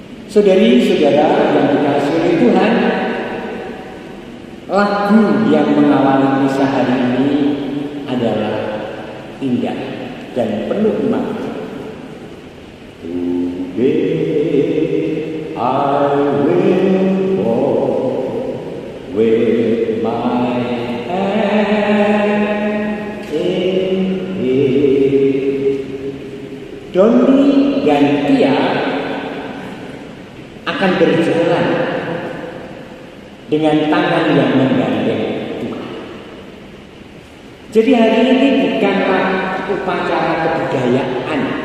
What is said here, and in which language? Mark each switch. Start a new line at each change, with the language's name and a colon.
Indonesian: Saudari-saudara yang dikasih oleh Tuhan, lagu yang mengawali misa hari ini adalah indah dan penuh makna.
English: Today I will go with my hand in hand.
Indonesian: Doni dan Tia akan berjalan dengan tangan yang menggandeng Tuhan. Jadi hari ini bukanlah upacara kebudayaan.